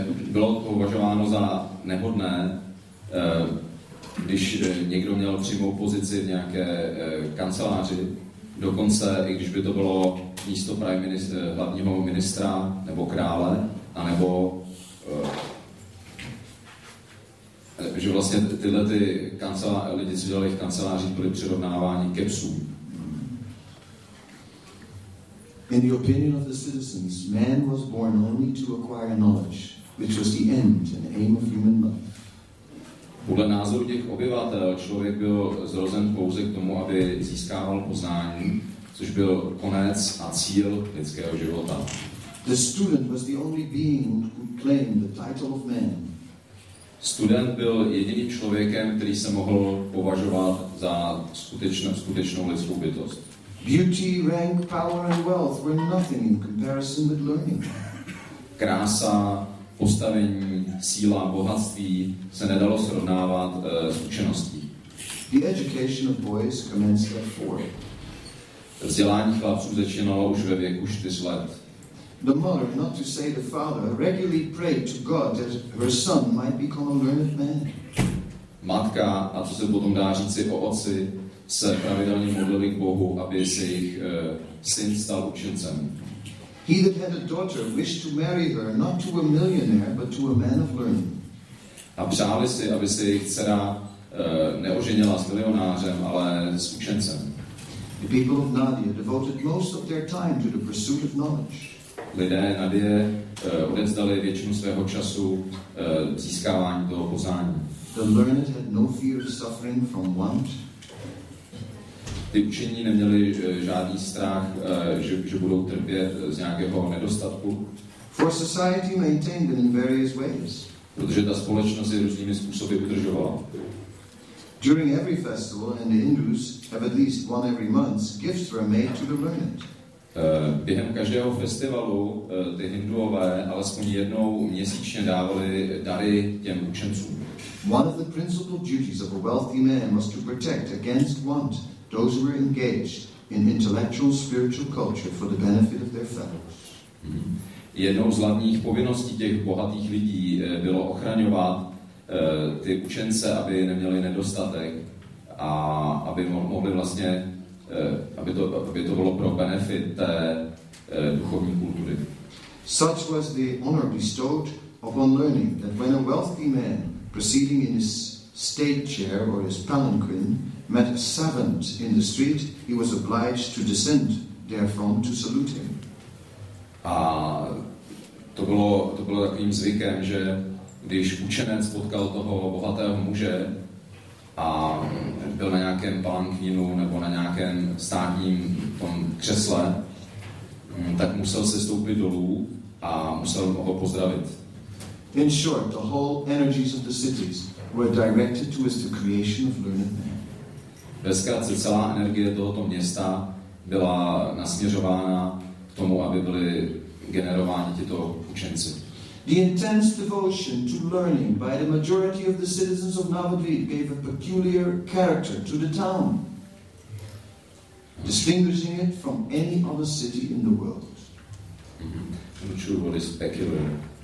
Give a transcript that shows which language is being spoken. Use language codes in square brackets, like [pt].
[cs] Bylo to považováno za nehodné, když někdo měl přímou pozici v nějaké kanceláři, dokonce i když by to bylo místo [en] prime minister, [cs] hlavního ministra nebo krále, anebo že vlastně tyhle ty lidi, co dělali v kancelářích, byly přirovnávání ke psům. [en] In the opinion of the citizens, man was born only to acquire knowledge, which was the end and aim of human life. [cs] Podle názoru těch obyvatel, člověk byl zrozen pouze k tomu, aby získával poznání, což byl konec a cíl lidského života. [en] The student was the only being who could claim the title of man. [cs] Student byl jediným člověkem, který se mohl považovat za skutečnou lidskou bytost. [en] Beauty, rank, power and wealth were nothing in comparison with learning. [cs] Krása, postavení, síla, bohatství se nedalo srovnávat s učeností. [en] The education of boys commenced at 4. [cs] Vzdělání chlapců začínalo už ve věku 4 let. [en] The mother, not to say the father, regularly prayed to God that her son might become a learned man. [cs] Matka, a co se potom dá říci o otci, se pravidelně modlili k Bohu, aby se jich syn stal učencem. [en] He that had a daughter wished to marry her not to a millionaire, but to a man of learning. [cs] A přáli si, aby se jejich dcera neoženila s milionářem, ale s učencem. [en] The people of Nadia devoted most of their time to the pursuit of knowledge. [cs] Lidé Nadie odevzdali většinu svého času získávání toho poznání. [en] The learned had no fear of suffering from want. [cs] Ty učení neměli žádný strach, že budou trpět z nějakého nedostatku. [en] For society maintained them in various ways. [cs] Protože ta společnost je různými způsoby udržovala. [en] During every festival, and the Hindus have at least one every month, gifts were made to the learned. [cs] Během každého festivalu ty Hinduové alespoň jednou měsíčně dávali dary těm učencům. [en] One of the principal duties of a wealthy man was to protect against want those who were engaged in intellectual spiritual culture for the benefit of their fellows. [cs] Jednou z hlavních povinností těch bohatých lidí bylo ochraňovat ty učence, aby neměli nedostatek a aby mohli vlastně aby to bylo pro benefit té duchovní kultury. [en] Such was the honor bestowed upon learning that when a wealthy man proceeding in his state chair or his palanquin met a servant in the street, he was obliged to descend therefrom to salute him. [cs] A to bylo takovým zvykem, že když učenec potkal toho bohatého muže a byl na nějakém palankvínu nebo na nějakém státním tom křesle, tak musel se stoupit dolů a musel ho pozdravit. [en] In short, the whole energies of the cities were directed towards the creation of learned men. [cs] Ve zkratce, celá energie tohoto města byla nasměřována k tomu, aby byly generováni tyto učenci. [en] The intense devotion to learning by the majority of the citizens of Navadvip gave a peculiar character to the town, distinguishing it from any other city in the world. I'm not sure what is peculiar.